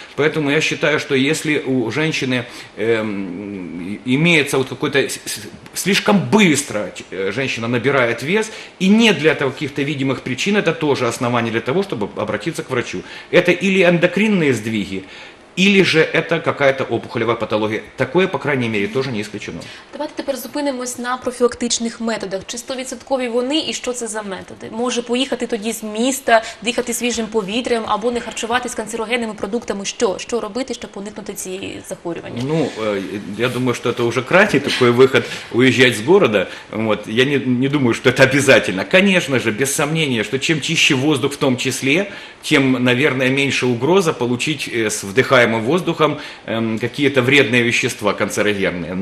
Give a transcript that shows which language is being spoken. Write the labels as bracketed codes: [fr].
[ru] Поэтому я считаю, что если у женщины имеется вот какой-то слишком быстро женщина набирает вес, и нет для этого каких-то видимых причин, это тоже основание для того, чтобы обратиться к врачу. Это или эндокринные сдвиги, или же это какая-то опухолевая патология. Такое, по крайней мере, тоже не исключено. [uk] Давайте теперь зупинимось на профилактичных методах. Чи 100% вони [ru] и что это за методы? [uk] Може поїхати тоді з міста, дихати свіжим повітрям, або не харчуватись канцерогенними продуктами? Що? Що робити, щоб уникнути цієї захворювання? [ru] Ну, я думаю, что это уже крайний такой выход уезжать с города. Вот. Я не думаю, что это обязательно. Конечно же, без сомнения, что чем чище воздух в том числе, тем, наверное, меньше угроза получить с вдыхания воздухом какие-то вредные вещества канцерогенные.